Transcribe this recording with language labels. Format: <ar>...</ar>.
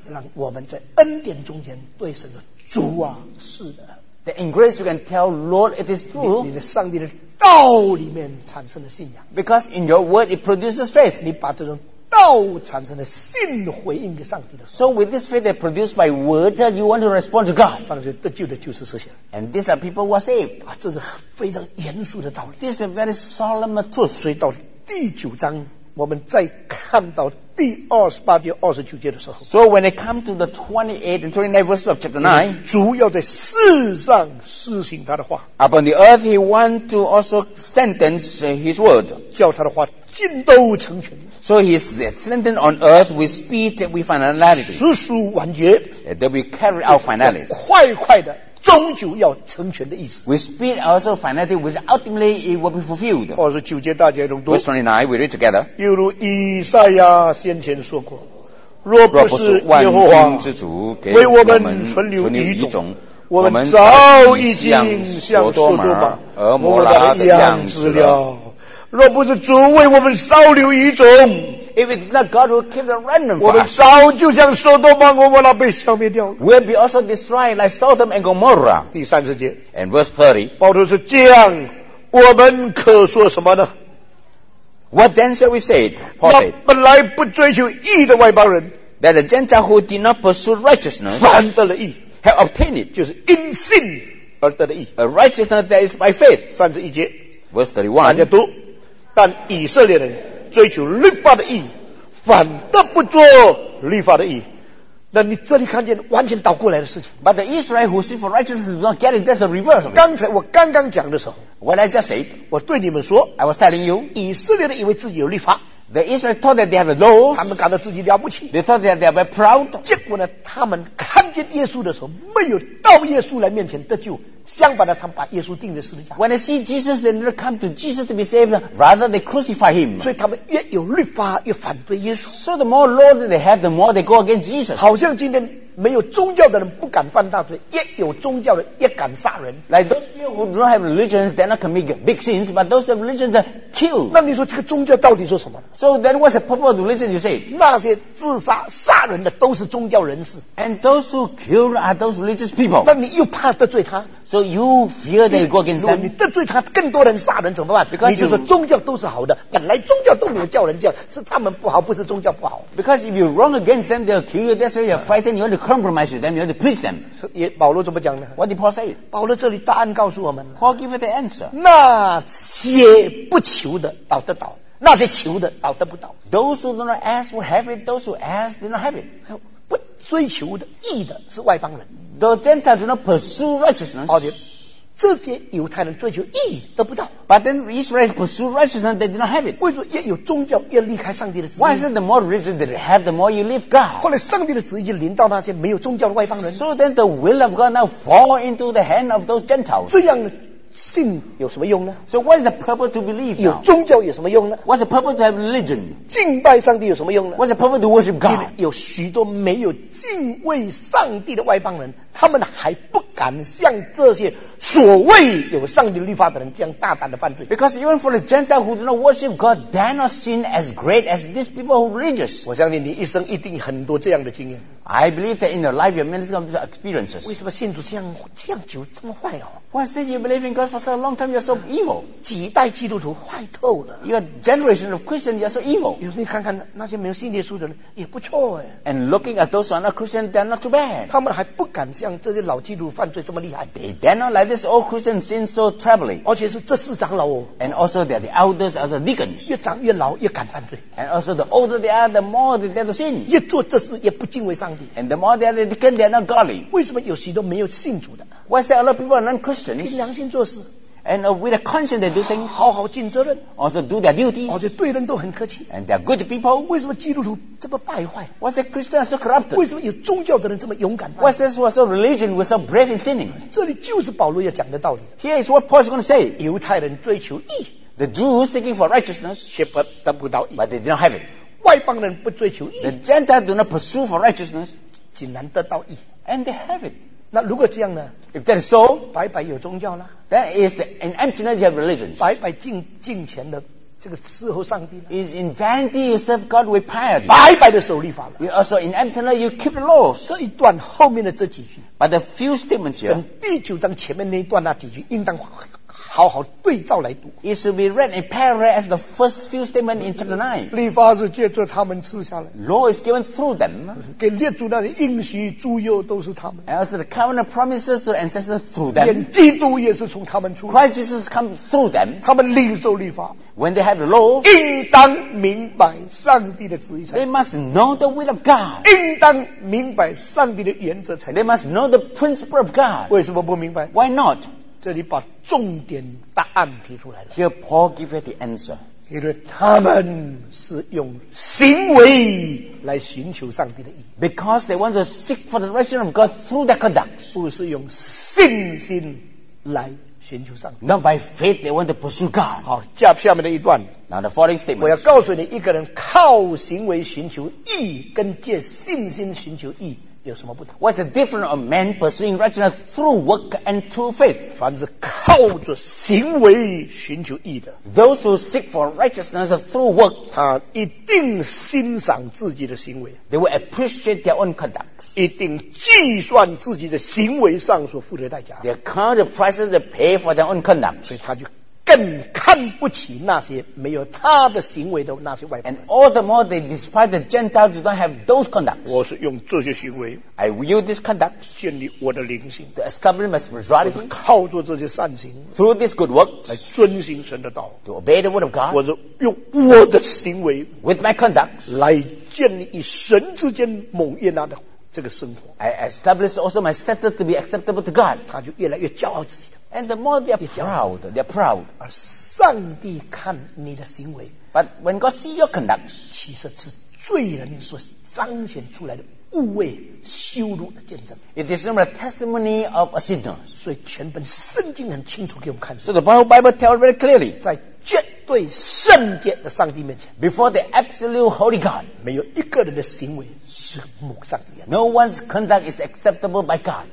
<zh>让我们在恩典中间对神的主啊，是的。</zh> <en>That in grace you can tell Lord it is true.</en> <zh>你的上帝的道里面产生了信仰。</zh> <en>Because in your word it produces faith.</en> <zh>你把这种道产生了信回应给上帝的。</zh> <en>So with this faith that produced by word, you want to respond to God.</en> <zh>上帝得救的就是这些。</zh> <en>And these are people who are saved.</en> <zh>啊，这是非常严肃的道理。</zh> <en>This is a very solemn truth.</en> <zh>所以到第九章。我们在看到第二十八节、二十九节的时候</zh> <en>，So when it comes to the 28 and 29 verses of chapter 9,</en> <zh>主要在世上施行他的话。</zh> <en>Upon the earth, he want to also sentence his word,</en> <zh>叫他的话尽都成全。</zh> <en>So he said, sentence on earth with speed that we finality,</en> <zh>实施完结</zh> <en>，that we carry out finality,</en> <zh>快快的。终究要成全的意思。</zh> <en>With speed, also finality, which ultimately it will be fulfilled.</en> <zh>二十九节大节中读。</zh> <en>Verse 29, we read together.</en> <zh>又如以赛亚先前说过，若不是耶和华为我们存留一种，我们早已经像索多玛、俄摩拉的样子了。若不是主为我们稍留一种。</zh> <en>If it's not God who keeps the remnant,</en> <zh>我们早就像索多玛、俄摩拉被消灭掉了。</zh> <en>We'll be also destroyed like Sodom and Gomorrah.</en> <zh>第三十节。</zh> <en>And verse 30.</en> <zh>保罗说：“这样，我们可说什么呢</zh> <en>？”What then shall we say? Paul said,</en> <zh>本来不追求义的外邦人</zh> <en>，that the Gentile who did not pursue righteousness,</en> <zh>反得了义</zh> <en>，have obtained it,</en> <zh>就是因信而得了义</zh> <en>，a righteousness that is by faith.</en> <zh>三十一节。</zh> <en>Verse 31.</en> <zh>大家读，但以色列人。追求律法的义，反得不做律法的义。那你这里看见完全倒过来的事情。</zh> <en>But the Israel who seek for righteousness does not get it. That's the reverse.</en> <zh>刚才我刚刚讲的时候</zh> <en>，When I just said，</en> <zh>我对你们说</zh> <en>，I was telling you，</en> <zh>以色列人以为自己有律法。</zh> <en>The Israel thought that they have a law.</en> <zh>他们感到自己了不起。</zh> <en>They thought that they are very proud.</en> <zh>结果呢，他们看见耶稣的时候，没有到耶稣来面前得救。相反的，他们把耶稣钉在十字架。</zh> <en>When they see Jesus, they never come to Jesus to be saved. Rather, they crucify him.</en> <zh>所以他们越有律法，越反对耶稣。</zh> <en>So the more law that they have, the more they go against Jesus.</en> <zh>好像今天没有宗教的人不敢犯大罪，越有宗教的越敢杀人。</zh> <en>Like those people who do not have religion, they not commit big sins, but those that religion that kill.</en> <zh>那你说这个宗教到底说什么</zh> <en>？So then, what's the purpose of religion? You say</en> <zh>那些自杀杀人的都是宗教人士。</zh> <en>And those who kill are those religious people.</en> <zh>那你又怕得罪他</zh> <en>？So you fear that you go against them.</en> <zh>你得罪他，更多人杀人怎么办</zh> <en>？Because</en> <zh>你就说宗教都是好的，本来宗教都没有叫人叫，是他们不好，不是宗教不好。</zh> <en>Because if you wrong against them, they'll kill you. That's why you're fighting. You're the compromise with them, you have to please them.</en> <zh>也保罗怎么讲呢</zh> <en>？What did Paul say?</en> <zh>保罗这里答案告诉我们</zh> <en>Paul gave the answer.</en> <zh>那些不求的倒得倒，那些求的倒得不倒。</zh> <en>Those who do not ask will have it. Those who ask do not have it.</en> <zh>不追求的义的是外邦人。</zh> <en>The Gentiles do not pursue righteousness.</en> <zh>而且这些犹太人追求义得不到。</zh> <en>But then Israel pursue righteousness, they do not have it.</en> <zh>为什么越有宗教越离开上帝的旨意</zh> <en>？Why is it the more religion that you have, the more you leave God?</en> <zh>后来上帝的旨意就临到那些没有宗教的外邦人。</zh> <en>So then the will of God now fall into the hand of those Gentiles.</en> <zh>这样信有什么用呢</zh> <en>？So what is the purpose to believe?</en> <zh>有宗教有什么用呢</zh> <en>？What's the purpose to have religion?</en> <zh>敬拜上帝有什么用呢</zh> <en>？What's the purpose to worship God?</en> <zh>有许多没有敬畏上帝的外邦人，他们还不敢像这些所谓有上帝律法的人这样大胆的犯罪。</zh> <en>Because even for the Gentiles who do not worship God, they're not seen as great as these people who are religious.</en> <zh>我相信你一生一定很多这样的经验。</zh> <en>I believe that in your life you have many of these experiences.</en> <zh>为什么信主这样久这么坏哦</zh> <en>？Why did you believe in God for so long time? You're so evil.</en> <zh>几代基督徒坏透了。</zh> <en>Your generation of Christians are so evil.</en> <zh>有时你看看那些没有信耶稣的人也不错哎。</zh> <en>And looking at those who are not Christians, they're not too bad.</en> <zh>他们还不敢像这些老基督徒犯罪这么厉害。</zh> <en>They don't like this old Christian sin so troubling.</en> <zh>而且是这四长老哦。</zh> <en>And also they are the elders of the deacons.</en> <zh>越长越老越敢犯罪。</zh> <en>And also the older they are, the more they dare to sin.</en> <zh>越做这事越不敬畏上帝。</zh> <en>And the more they are the deacon, they are not godly.</en> <zh>为什么有许多没有信主的？</zh> <en>Why is there a lot of people are non-Christians?</en> <zh>凭良心做事。</zh> <en>And with a conscience, they do things.</en> <zh>好好尽责任。</zh> <en>Also do their duty.</en> <zh>而且对人都很客气。</zh> <en>And they are good people.</en> <zh>为什么基督徒这么败坏？</zh> <en>Why is the Christian so corrupt?</en> <zh>为什么有宗教的人这么勇敢？</zh> <en>Why is this was so religion was so brave in sinning?</en> <zh>这里就是保罗要讲的道理。</zh> <en>Here is what Paul is going to say.</en> <zh>犹太人追求义。</zh> <en>The Jews seeking for righteousness,</en> <zh>却不得不到义。</zh> <en>But they did not have it.</en> <zh>外邦人不追求义。</zh> <en>The Gentiles do not pursue for righteousness,</en> <zh>竟然得到义。</zh> <en>And they have it.</en> <zh>那如果这样呢</zh> <en>？If that is so，</en> <zh>白白有宗教了。</zh> <en>That is an emptiness of religion。</en> <zh>白白敬虔的这个伺候上帝了。</zh> <en>Is in vanity you serve God with piety。</en> <zh>白白的守律法了。</zh> <en>You also in emptiness you keep the law。</en> <zh>这一段后面的这几句</zh> <en>，But the few statements here，</en> <zh>跟第九章前面那一段那几句应当好好对照来读。</zh> <en>It should be read in parallel as the first few statements in chapter 9。</en> <zh>律法是借着他们赐下来。</zh> <en>Law is given through them。</en> <zh>给列祖那里应许诸幼都是他们。</zh> <en>And also the covenant promises to the ancestors through them。</en> <zh>连基督也是从他们出。</zh> <en>Christ Jesus comes through them。</en> <zh>他们领受律法。</zh> <en>When they have the law，</en> <zh>应当明白上帝的旨意才。</zh> <en>They must know the will of God。</en> <zh>应当明白上帝的原则才。</zh> <en>They must know the principle of God。</en> <zh>为什么不明白</zh> <en>？Why not？</en> <zh>这里把重点答案提出来了。</zh> <en>Here Paul gives the answer.</en> <zh>因为他们是用行为来寻求上帝的义。</zh> <en>Because they want to seek for the righteousness of God through their conduct.</en> <zh>不是用信心来寻求上帝。</zh> <en>Not by faith they want to pursue God.</en> <zh>好，接下面的一段。</zh> <en>Now the following statement.</en> <zh>我要告诉你，一个人靠行为寻求义，跟借信心寻求义。有什么不同？</zh> <en>What's the difference of man pursuing righteousness through work and through faith?</en> <zh>凡是靠着行为寻求义的，</zh> <en>those who seek for righteousness through work,</en> <zh>他一定欣赏自己的行为，</zh> <en>they will appreciate their own conduct,</en> <zh>一定计算自己的行为上所付的代价，</zh> <en>they count the prices they pay for their own conduct,</en> <zh>所以他就更看不起那些没有他的行为的那些外邦人。</zh> <en>And all the more they despise the Gentiles who don't have those conducts.</en> <zh>我是用这些行为</zh> <en>I will use this conduct</en> <zh>建立我的灵性</zh> <en>to establish my spirituality.</en> <zh>我是靠着这些善行</zh> <en>through this good work</en> <zh>来遵行神的道</zh> <en>to obey the word of God.</en> <zh>我是用我的行为</zh> <en>with my conduct</en> <zh>来建立与神之间某一那的这个生活。</zh> <en>I establish also my status to be acceptable to God.</en> <zh>他就越来越骄傲自己的。</zh> <en>And the more they are proud, they are proud.</en> <zh>而上帝看你的行为，</zh> <en>but when God sees your conduct,</en> <zh>其实是罪人所彰显出来的污秽羞辱的见证。</zh> <en>It is not a testimony of a sinner.</en> <zh>所以全本圣经很清楚给我们看。</zh> <en>So the Bible tells very clearly,</en> <zh>在绝对圣洁的上帝面前，</zh> <en>before the absolute holy God,</en> <zh>没有一个人的行为是蒙上帝眼。</zh> <en>No one's conduct is acceptable by God.</en>